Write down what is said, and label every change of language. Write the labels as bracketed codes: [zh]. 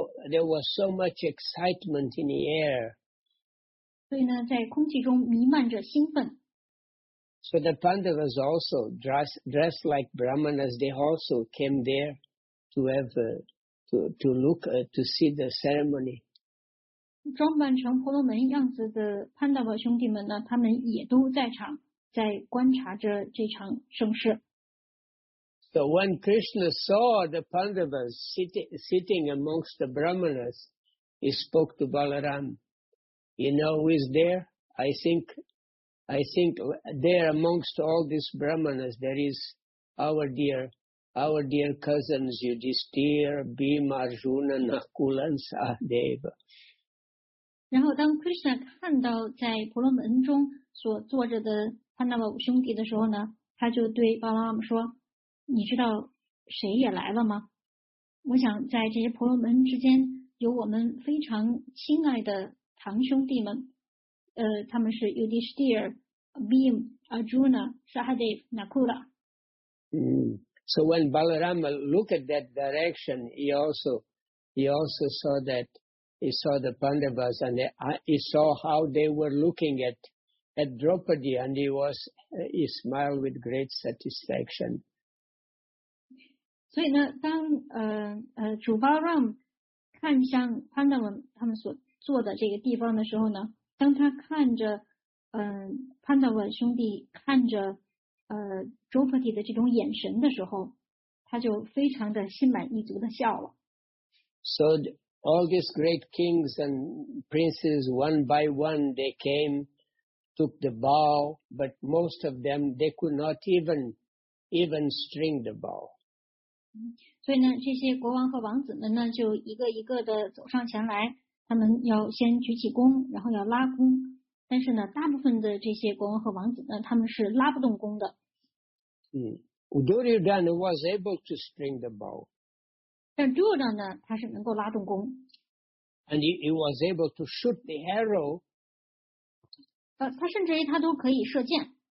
[en] There was so much excitement in the air. [zh] 所以呢，在空气中弥漫着兴奋。 [en] So the Pandavas also dressed like Brahmanas. They also came there to see the ceremony. [zh] 装扮成婆罗门样子的潘达瓦兄弟们呢，他们也都在场，在观察着这场盛世。 [en] So when Krishna saw the Pandavas sitting amongst the Brahmanas, he spoke to Balaram. You know who is there? I think I think there amongst all these Brahmanas, there is our dear cousins, Yudhisthira, Bhima, Arjuna, Nakula, and Sahadeva. [zh] 然后当 Krishna 看到在婆罗门中所坐着的他那五兄弟的时候呢，他就对巴拉拉姆说，你知道谁也来了吗？我想在这些婆罗门之间有我们非常亲爱的堂兄弟们，他们是 Yudhisthira, Bhim, Arjuna, Sahadev, Nakula. [en] So when Balarama looked at that direction, he also saw that, he saw the Pandavas and he saw how they were looking at Draupadi, and he smiled with great satisfaction. [zh] 所以呢，当主巴拉姆看向潘达文他们所坐的这个地方的时候呢，当他看着潘达文兄弟看着周婆提的这种眼神的时候，他就非常的心满意足的笑了。 [en] So all these great kings and princes, one by one, they came, took the bow, but most of them they could not even string the bow. [zh] 所以呢，这些国王和王子们呢，就一个一个的走上前来，他们要先举起弓，然后要拉弓。但是呢，大部分的这些国王和王子呢，他们是拉不动弓的。 [en] Duryodhana was able to string the bow. [zh] 但 Duryodhana 呢，他是能够拉动弓。 [en] And he was able to shoot the arrow. [zh] 他甚至于他都可以射箭。